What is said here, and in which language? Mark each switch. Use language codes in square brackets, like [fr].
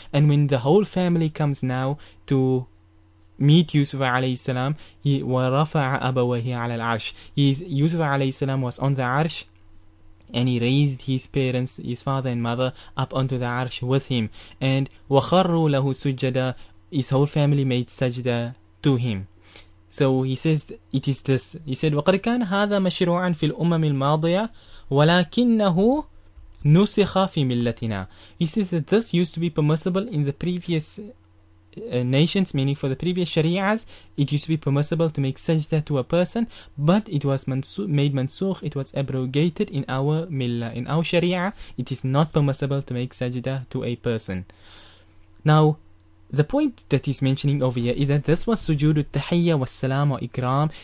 [en] And when the whole family comes now to meet Yusuf alayhi salam, he [ar] وَرَفَعَ أَبَوَهِ عَلَى الْعَرْشِ, [en] Yusuf alayhi salam was on the arsh, and he raised his parents, his father and mother, up onto the arsh with him. And [ar] وَخَرُّ لَهُ سُجَّدَ, [en] his whole family made sajda to him. So he says it is this. He said, [ar] وَقَدْ كَانَ هَذَا مَشْرُوعًا فِي الْأُمَّمِ الْمَاضِيَةِ وَلَكِنَّهُ نُسِخَ فِي مِلَّتِنَا. [en] He says that this used to be permissible in the previous nations, meaning for the previous sharia's. It used to be permissible to make sajda to a person, but it was made mansukh, it was abrogated in our millah, in our sharia. It is not permissible to make sajda to a person. Now, the point that he's mentioning over here is that this was sujood al-tahiyya wa salam wa ikram.